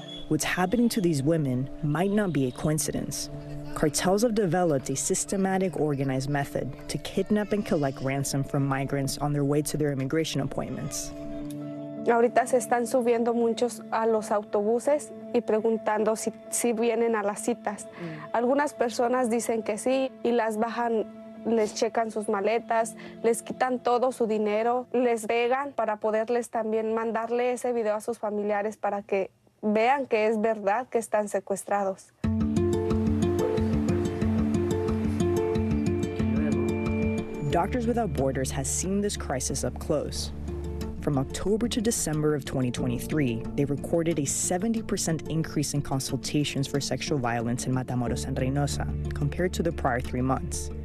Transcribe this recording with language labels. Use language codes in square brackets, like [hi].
[en] What's happening to these women might not be a coincidence. Cartels have developed a systematic, organized method to kidnap and collect ransom from migrants on their way to their immigration appointments. [es] Ahorita se están subiendo muchos a los autobuses y preguntando si vienen a las citas. Algunas personas dicen que sí y las bajan. Les checan sus maletas, les quitan todo su dinero, les pegan para poderles también mandarle ese video a sus familiares para que vean que es verdad que están secuestrados. [en] Doctors Without Borders has seen this crisis up close. From October to December of 2023, they recorded a 70% increase in consultations for sexual violence in Matamoros and Reynosa compared to the prior 3 months.